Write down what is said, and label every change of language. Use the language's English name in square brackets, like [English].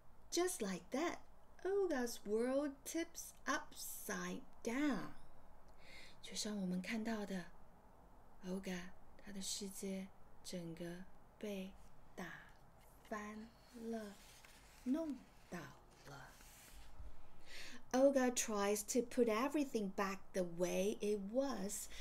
[English] Just like that, Olga's world tips upside down. [Chinese] 就像我们看到的， Olga 她的世界整个被打翻了，弄倒了。 [English] Olga tries to put everything back the way it was.